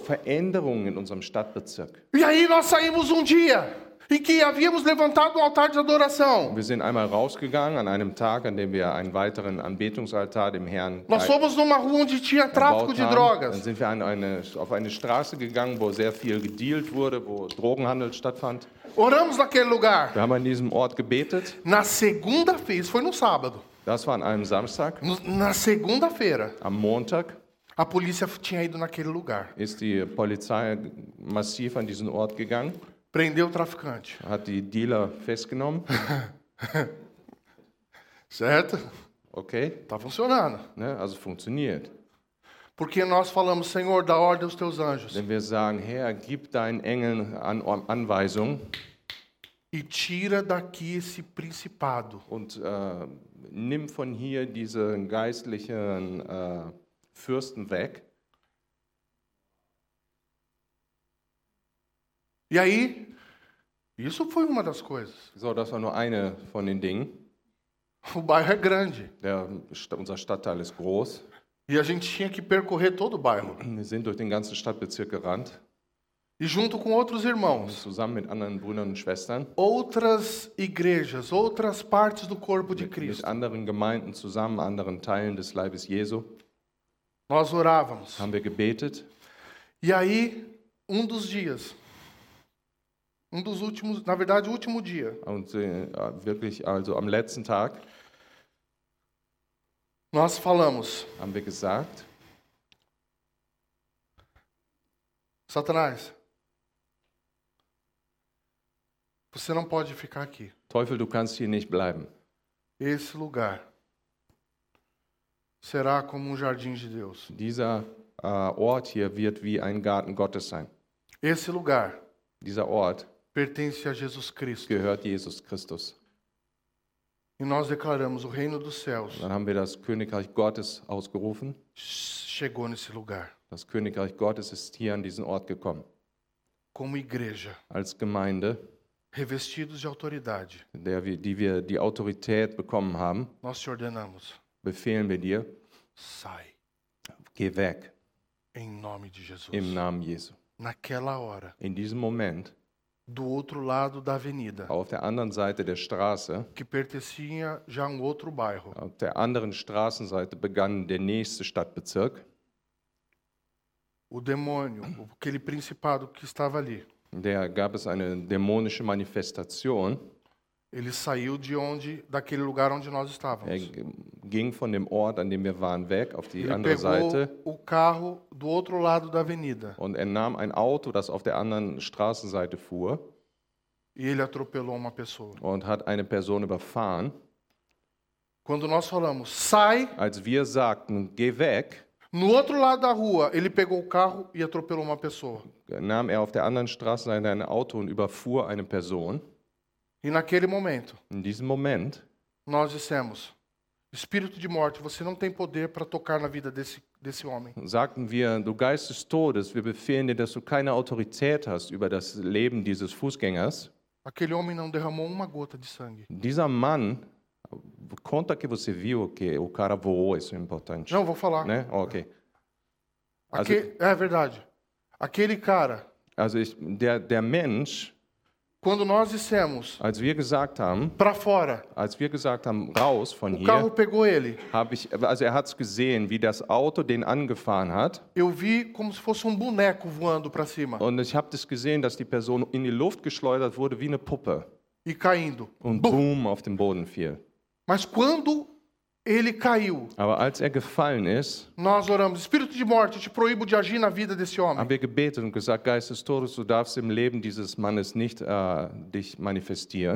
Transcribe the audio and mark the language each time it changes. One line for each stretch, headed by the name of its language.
German: Veränderung in unserem Stadtbezirk.
Portuguese: E aí nós saímos dia em que havíamos levantado um altar de adoração.
German: Wir sind einmal rausgegangen an einem Tag, an dem wir einen weiteren Anbetungsaltar dem Herrn.
Portuguese: Nós fomos numa rua onde tinha tráfico de drogas.
German: Dann sind wir auf eine Straße gegangen, wo sehr viel gedealt wurde, wo Drogenhandel stattfand.
Portuguese: Oramos naquele lugar.
German: Wir haben an diesem Ort gebetet.
Portuguese: Na segunda-feira, foi no sábado.
German: Das war an einem Samstag.
Portuguese: Na segunda-feira.
German: Am Montag.
Portuguese: A polícia tinha ido naquele lugar.
German: Ist die Polizei massiv an diesen Ort gegangen?
Portuguese: Prendeu o traficante.
German: Hat die Dealer festgenommen?
Portuguese: Certo? Ok. Tá funcionando.
German: Ne? Also funktioniert.
Portuguese: Porque nós falamos, Senhor, dá ordem aos teus anjos.
German: Denn wir sagen, Herr, gib deinen Engeln Anweisung.
Portuguese: E tira daqui esse principado.
German: Und nimm von hier diese geistlichen Fürsten weg.
Portuguese: E aí? Isso foi uma das coisas.
German: So, das war nur eine von den Dingen.
Portuguese: O bairro é grande.
German: Unser Stadtteil ist groß.
Portuguese: E a gente tinha que percorrer todo o bairro.
German: Wir sind durch den ganzen Stadtbezirk gerannt.
Portuguese: E junto com outros irmãos.
German: Zusammen mit anderen Brüdern und Schwestern.
Portuguese: Outras igrejas, outras partes do corpo de Cristo.
German: Mit anderen Gemeinden zusammen, anderen Teilen des Leibes Jesu.
Portuguese: Nós orávamos.
German: Haben wir gebetet.
Portuguese: E aí, dos dias. Dos últimos, na verdade, o último dia.
German: Und wirklich, also am letzten Tag.
Portuguese: Nós falamos.
German: Haben wir gesagt.
Portuguese: Satanás. Você não pode ficar aqui.
German: Teufel, du kannst hier nicht bleiben.
Portuguese: Esse lugar. Será como jardim de Deus.
German: Dieser Ort hier wird wie ein Garten Gottes sein.
Portuguese: Esse lugar.
German: Dieser Ort.
Portuguese: Pertence a Jesus Cristo.
German: Gehört Jesus Christus.
Portuguese: E nós declaramos o reino dos céus.
German: Dann haben wir das Königreich Gottes ausgerufen.
Portuguese: Chegou nesse lugar.
German: Das Königreich Gottes ist hier an diesen Ort gekommen.
Portuguese: Como igreja.
German: Als Gemeinde.
Portuguese: Revestidos de autoridade.
German: Die wir die Autorität bekommen haben.
Portuguese: Nós te ordenamos.
German: Befehlen wir dir,
Portuguese: sai.
German: Geh weg.
Portuguese: Em nome de Jesus.
German: Im Namen Jesu.
Portuguese: Naquela hora.
German: In diesem Moment.
Portuguese: Do outro lado da avenida.
German: Auf der anderen Seite der Straße.
Portuguese: Que pertencia já a outro bairro.
German: Auf der anderen Straßenseite begann der nächste Stadtbezirk.
Portuguese: O demônio, aquele principado que estava ali.
German: Der gab es eine dämonische Manifestation.
Portuguese: Ele saiu de onde, daquele lugar onde nós estávamos.
German: Er ging von dem Ort, an dem wir waren, weg, auf die andere Seite.
Portuguese: Ele pegou o carro do outro lado da avenida.
German: Und er nahm ein Auto, das auf der anderen Straßenseite fuhr.
Portuguese: E ele atropelou uma pessoa.
German: Und hat eine Person überfahren.
Portuguese: Quando nós falamos, sai.
German: Als wir sagten, geh weg.
Portuguese: No outro lado da rua, ele pegou o carro e atropelou uma pessoa.
German: Nahm er auf der anderen Straßenseite ein Auto und überfuhr eine Person.
Portuguese: E naquele momento,
German: in diesem Moment,
Portuguese: nós dissemos, Espírito de morte, você não tem poder para tocar na vida desse homem.
German: Sagten wir, du Geist des Todes, wir befehlen dir, dass du keine Autorität hast über das Leben dieses Fußgängers.
Portuguese: Aquele homem não derramou uma gota de sangue.
German: Dieser Mann,
Portuguese: conta que você viu que o cara voou, isso é importante. Não, vou falar. Né? Oh, ok. É verdade. Aquele cara.
German: Also, der Mensch.
Portuguese: Quando nós dissemos,
German: als wir gesagt haben,
Portuguese: para fora,
German: als wir gesagt haben, raus von hier,
Portuguese: o carro
German: hier,
Portuguese: pegou ele.
German: Also er hat es gesehen, wie das Auto den angefahren hat.
Portuguese: Eu vi como se fosse boneco voando para cima.
German: Und ich habe das gesehen, dass die Person in die Luft geschleudert wurde wie eine Puppe.
Portuguese: E caindo.
German: Und boom, auf den Boden fiel.
Portuguese: Mas quando ele caiu,
German: aber als er gefallen ist,
Portuguese: nós oramos, Espírito de morte, te proíbo de agir na vida desse homem.
German: Haben wir gebetet und gesagt, Geist des Todes, du darfst im Leben dieses Mannes nicht dich manifestieren.